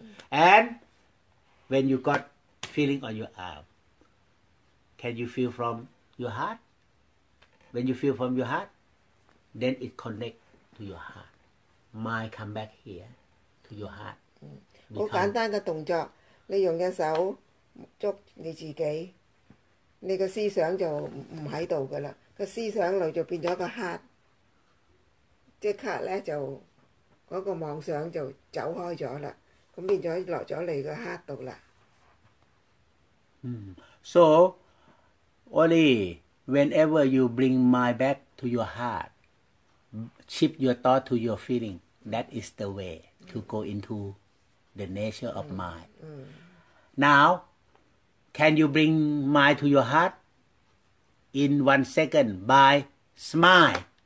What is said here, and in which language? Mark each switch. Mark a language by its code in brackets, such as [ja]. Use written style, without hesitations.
[en] And when you got feeling on your arm, can you feel from your heart? When you feel from your heart, then it connect to your heart. Mind come back here to your heart. [yue] 好簡單嘅動作，你用隻手捉你自己，你個思想就唔喺度噶啦。個思想裏就變咗個 heart。即刻咧就嗰、那個妄想就走開咗啦，咁變咗落咗嚟個黑度啦。 [en] So only whenever you bring mind back to your heart, shift your thought to your feeling. That is the way to go into the nature of mind. Now, can you bring mind to your heart in 1 second by smile?